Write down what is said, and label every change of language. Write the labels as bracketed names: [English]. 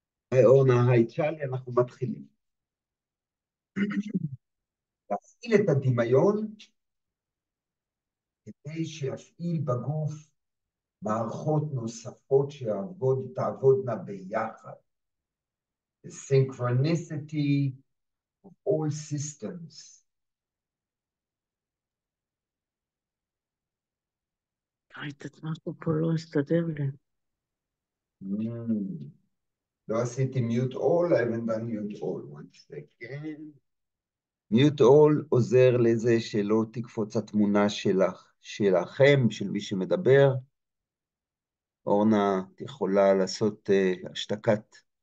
[Hebrew] היי אורנה, היי צ'אלי, אנחנו מתחילים. להפעיל את הדמיון כדי שיפעיל בגוף מערכות נוספות שתעבודנה ביחד. [English] The synchronicity of all systems. [Hebrew] ראית את משהו פה לא הסתדר לי. לא עשיתי mute all, [English] I haven't done mute all. One second. [Hebrew] mute all עוזר לזה שלא תקפוץ התמונה שלכם, של מי שמדבר. אורנה, את יכולה לעשות השתקת.